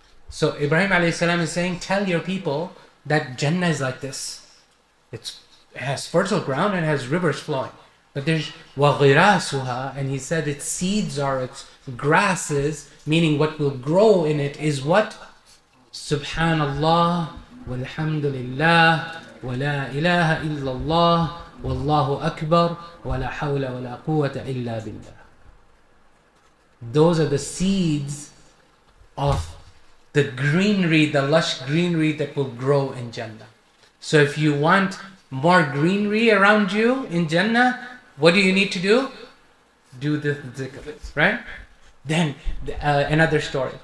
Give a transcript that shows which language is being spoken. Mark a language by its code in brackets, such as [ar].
[en] So Ibrahim alayhi salam is saying, tell your people that Jannah is like this. It has fertile ground and it has rivers flowing. But there's وَغِرَاسُهَا. And he said its seeds are its grasses, meaning what will grow in it is what? [ar] سبحان الله والحمد لله ولا إله إلا الله والله أكبر ولا حول ولا قوة إلا بالله. [en] Those are the seeds of the greenery, the lush greenery that will grow in Jannah. So if you want more greenery around you in Jannah, what do you need to do? Do the zikr, right? Then another story.